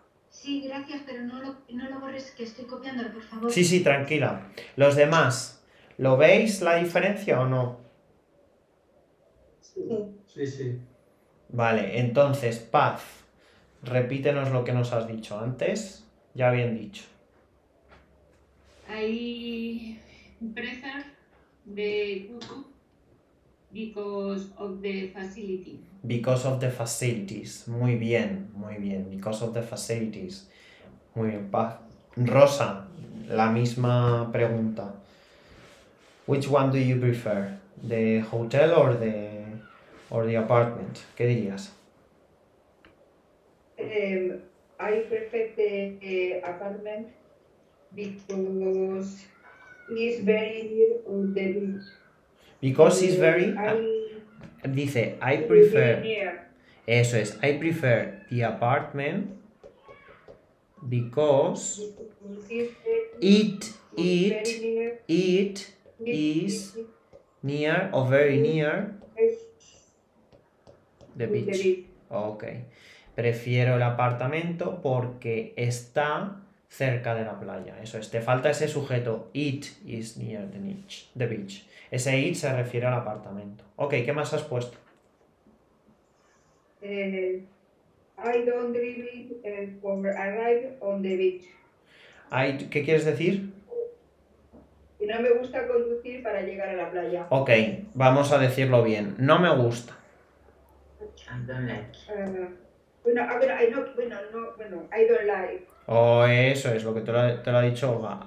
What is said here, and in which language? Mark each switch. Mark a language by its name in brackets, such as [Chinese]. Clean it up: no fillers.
[Spanish] Sí, gracias, pero no lo borres, que estoy copiándolo, por favor. Sí, sí, tranquila. Los demás, ¿lo veis la diferencia o no? Sí, sí. Vale, entonces, Paz, repítenos lo que nos has dicho antes, ya bien dicho. [English] I prefer the cuckoo because of the facility. Because of the facilities, [Spanish] muy bien, [English] because of the facilities. [Spanish] Muy bien, [English] Paz. Rosa, [Spanish] la misma pregunta. [English] Which one do you prefer, the hotel or the... or the apartment, [Spanish] ¿qué dirías? [English] I prefer the apartment because it's very near on the beach. Because it's very... [Spanish] dice, [English] I prefer... [Spanish] Eso es, [English] I prefer the apartment because it is near or very near the beach. Ok. [Spanish] Prefiero el apartamento porque está cerca de la playa. Eso es. Te falta ese sujeto. [English] It is near the beach. The beach. [Spanish] Ese it se refiere al apartamento. Ok. ¿Qué más has puesto? [English] I don't drive it for arrive on the beach. [Spanish] ¿Qué quieres decir? Que no me gusta conducir para llegar a la playa. Ok. Vamos a decirlo bien. No me gusta. [English] I don't like. I don't like. [Spanish] Oh, eso es lo que te lo ha dicho Olga.